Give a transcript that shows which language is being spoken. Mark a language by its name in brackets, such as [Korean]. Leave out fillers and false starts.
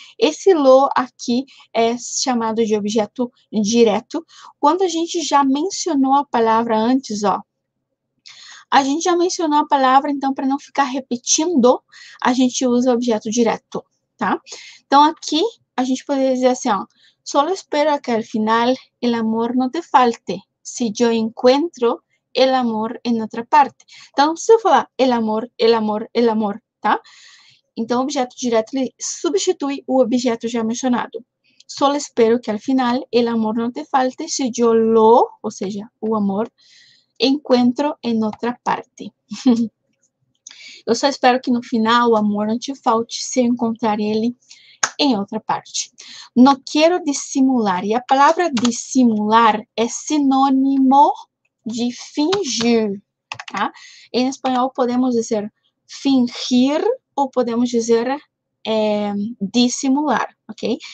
[Portuguese] Esse lo aqui é chamado de objeto direto. Quando a gente já mencionou a palavra antes, ó. A gente já mencionou a palavra, então, para não ficar repetindo, a gente usa objeto direto, tá? Então, aqui a gente poderia dizer assim, ó. [Spanish] Solo espero que al final el amor no te falte. Si yo encuentro el amor en otra parte. [Portuguese] Então, se eu falar el amor, el amor, el amor, tá? Então, o objeto direto, ele substitui o objeto já mencionado. [Spanish] Solo espero que al final el amor no te falte si yo lo, [Portuguese] ou seja, o amor, [Spanish] encuentro en otra parte. [Portuguese] Eu só espero que no final o amor não te falte se eu encontrar ele em outra parte. [Spanish] No quiero dissimular. [Portuguese] E a palavra dissimular é sinônimo de fingir, tá? Em espanhol podemos dizer fingir ou podemos dizer dissimular, ok?